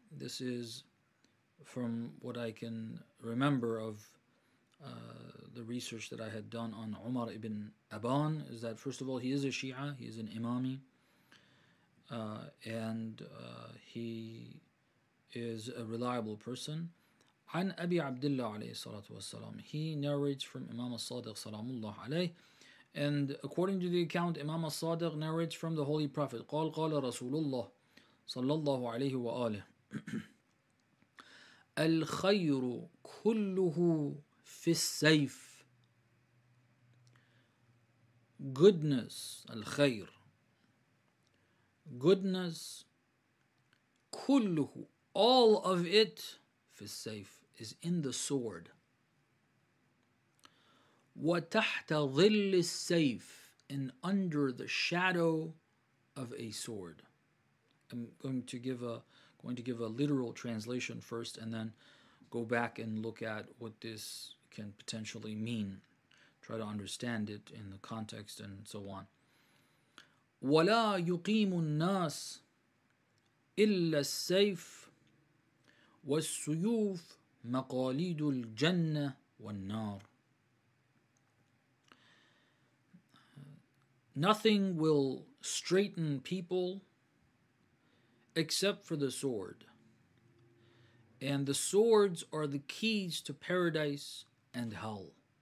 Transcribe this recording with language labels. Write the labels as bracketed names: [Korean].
[English] This is from what I can remember of the research that I had done on عمر ابن أبان, is that first of all, he is a Shia, he is an Imami, and he is a reliable person. [Arabic] عن أبي عبد الله عليه الصلاة والسلام. [English] He narrates from Imam al-Sadiq salam الله عليه. And according to the account, Imam al-Sadiq narrates from the Holy Prophet. [Arabic] قال قال رسول الله صلى الله عليه وآله الخير كله في السيف. [English] Goodness, الخير, goodness, كله, all of it, [Arabic] في السيف, [English] is in the sword. [Arabic] وتحت ظل السيف, [English] and under the shadow of a sword. I'm going to give a literal translation first, and then go back and look at what this can potentially mean. Try to understand it in the context and so on. [Arabic] ولا يقيم الناس إلا السيف والسيوف مقاليد الجنة والنار. [English] Nothing will straighten people except for the sword. And the swords are the keys to paradise and hell.